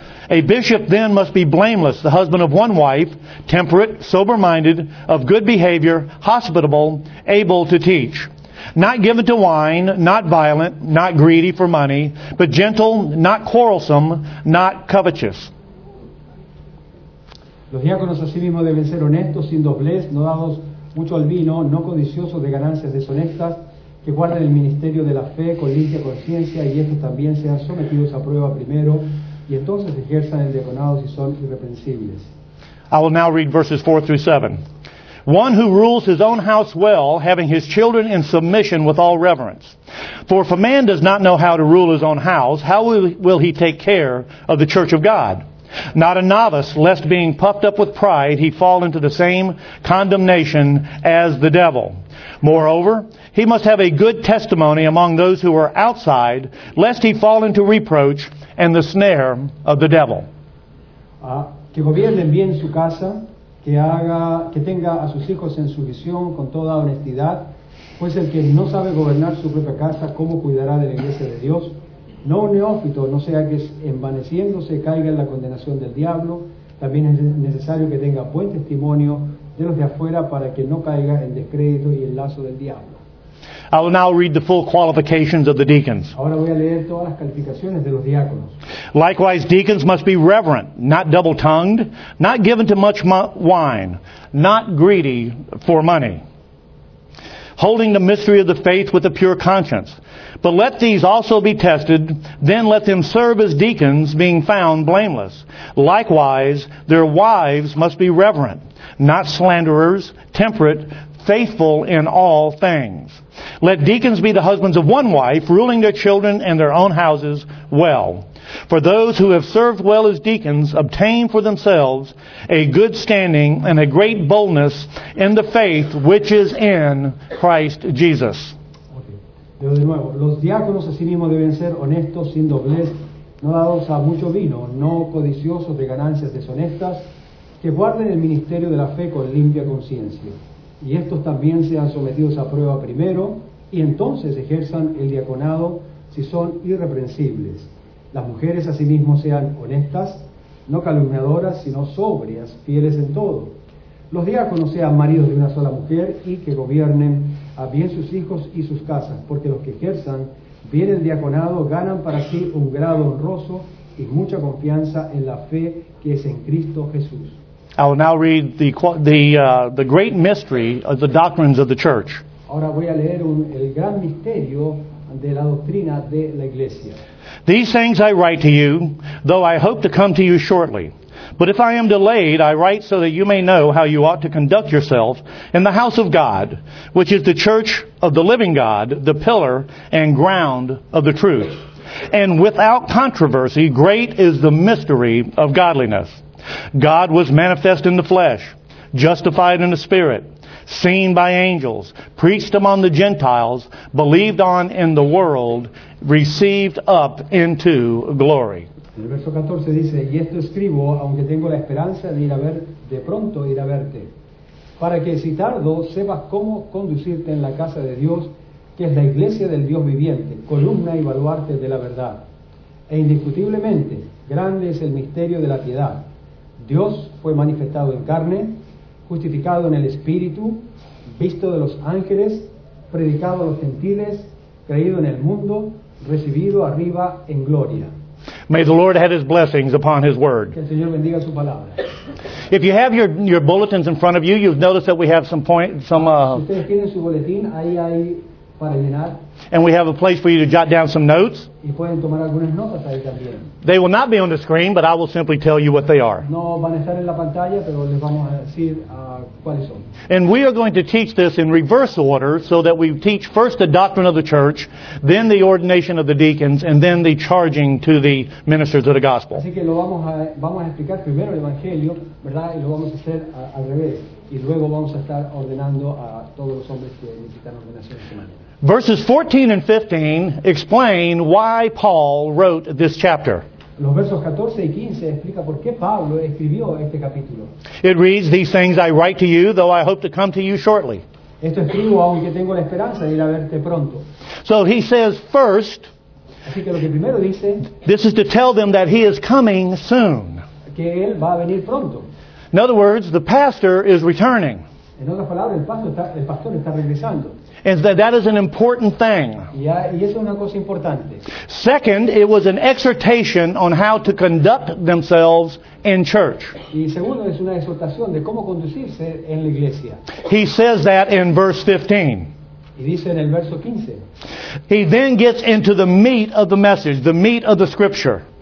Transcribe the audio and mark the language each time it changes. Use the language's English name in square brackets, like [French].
[English] A bishop then must be blameless, the husband of one wife, temperate, sober-minded, of good behavior, hospitable, able to teach. Not given to wine, not violent, not greedy for money, but gentle, not quarrelsome, not covetous. [Spanish] Los diáconos asimismo deben ser honestos, sin doblez, no dados mucho al vino, no codiciosos de ganancias deshonestas, que guarden el ministerio de la fe con limpia conciencia, y estos también sean sometidos a prueba primero, y entonces ejerzan el diaconado si son irreprensibles. [English] I will now read verses 4 through 7. One who rules his own house well, having his children in submission with all reverence. For if a man does not know how to rule his own house, how will he take care of the church of God? Not a novice, lest being puffed up with pride, he fall into the same condemnation as the devil. Moreover, he must have a good testimony among those who are outside, lest he fall into reproach and the snare of the devil. [Spanish] Que gobierne bien su casa, que tenga a sus hijos en sujeción con toda honestidad, pues el que no sabe gobernar su propia casa, ¿cómo cuidará de la iglesia de Dios? No un neófito, no sea que envaneciéndose caiga en la condenación del diablo. También es necesario que tenga buen testimonio de los de afuera para que no caiga en descrédito y el lazo del diablo. [English] I will now read the full qualifications of the deacons. [Spanish] Ahora voy a leer todas las calificaciones de los diáconos. [English] Likewise, deacons must be reverent, not double-tongued, not given to much wine, not greedy for money, holding the mystery of the faith with a pure conscience. But let these also be tested, then let them serve as deacons, being found blameless. Likewise, their wives must be reverent, not slanderers, temperate, faithful in all things. Let deacons be the husbands of one wife, ruling their children and their own houses well. For those who have served well as deacons obtain for themselves a good standing and a great boldness in the faith which is in Christ Jesus. Okay. [Spanish] Pero de nuevo, los diáconos asimismo deben ser honestos, sin doblez, no dados a mucho vino, no codiciosos de ganancias deshonestas, que guarden el ministerio de la fe con limpia conciencia. Y estos también sean sometidos a prueba primero, y entonces ejerzan el diaconado si son irreprensibles. Las mujeres asimismo sean honestas, no calumniadoras, sino sobrias, fieles en todo. Los diáconos sean maridos de una sola mujer y que gobiernen a bien sus hijos y sus casas, porque los que ejerzan bien el diaconado ganan para sí un grado honroso y mucha confianza en la fe que es en Cristo Jesús. [English] I will now read the great mystery of the doctrines of the church. [Spanish] Ahora voy a leer el gran misterio de la doctrina de la iglesia. [English] These things I write to you, though I hope to come to you shortly. But if I am delayed, I write so that you may know how you ought to conduct yourself in the house of God, which is the church of the living God, the pillar and ground of the truth. And without controversy, great is the mystery of godliness. God was manifest in the flesh, justified in the spirit, seen by angels, preached among the Gentiles, believed on in the world, received up into glory. [Spanish] El verso 14 dice, y esto escribo, aunque tengo la esperanza de ir a ver, de pronto ir a verte, para que si tardo, sepas cómo conducirte en la casa de Dios, que es la iglesia del Dios viviente, columna y baluarte de la verdad. E indiscutiblemente, grande es el misterio de la piedad. Dios fue manifestado en carne, justificado en el Espíritu, visto de los ángeles, predicado a los gentiles, creído en el mundo, recibido arriba en gloria. [English] May the Lord have His blessings upon His Word. [Spanish] Que el Señor bendiga su palabra. [English] If you have your bulletins in front of you, you've noticed that we have some point, some. [Spanish] Ustedes tienen su boletín, ahí hay para llenar. [English] And we have a place for you to jot down some notes. [Spanish] Y pueden tomar algunas notas ahí también. [English] They will not be on the screen, but I will simply tell you what they are. [Spanish] No van a estar en la pantalla, pero les vamos a decir cuáles son. [English] And we are going to teach this in reverse order, so that we teach first the doctrine of the church, then the ordination of the deacons, and then the charging to the ministers of the gospel. [Spanish] Así que lo vamos a explicar primero el evangelio, ¿verdad? Y lo vamos a hacer al revés. Y luego vamos a estar ordenando a todos los hombres que necesitan ordenación esta mañana. [English] Verses 14 and 15 explain why Paul wrote this chapter. [Spanish] Los versos 14 y 15 explica por qué Pablo escribió este capítulo. [English] It reads, "These things I write to you, though I hope to come to you shortly." [Spanish] Esto escribo aunque tengo la esperanza de ir a verte pronto. [English] So he says first, [Spanish] así que lo que primero dice, [English] this is to tell them that he is coming soon. [Spanish] Que él va a venir pronto. [English] In other words, the pastor is returning. [Spanish] En otras palabras, el pastor está regresando. [English] And that is an important thing. [Spanish] Y eso es una cosa importante. [English] Second, it was an exhortation on how to conduct themselves in church. [Spanish] Y segundo, es una exhortación de cómo conducirse en la iglesia. [English] He says that in verse 15. [Spanish] Y dice en el verso 15. [English] He then gets into the meat of the message, the meat of the scripture.